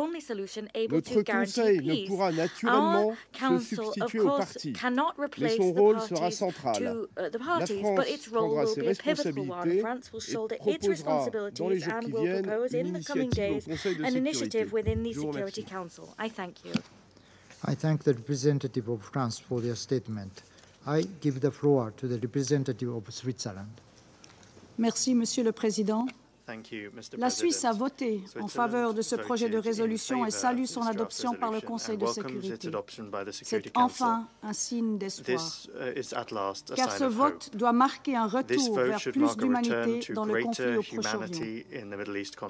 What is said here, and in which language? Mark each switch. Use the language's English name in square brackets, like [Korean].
[French] Notre Conseil ne pourra naturellement se substituer aux parties, mais son rôle sera central. La France prendra ses responsabilités et proposera dans les jours qui viennent une initiative au Conseil de sécurité. Je vous remercie. [English] I thank you. I thank the representative of France for their statement. I give the floor to the representative of Switzerland. [French] Merci, Monsieur le Président. [English] Thank you, Mr. President. [French] La Suisse a voté en faveur de ce projet de résolution et salue son adoption par le Conseil de sécurité. C'est enfin un signe d'espoir, car ce vote doit marquer un retour vers plus d'humanité dans le conflit au Proche-Orient.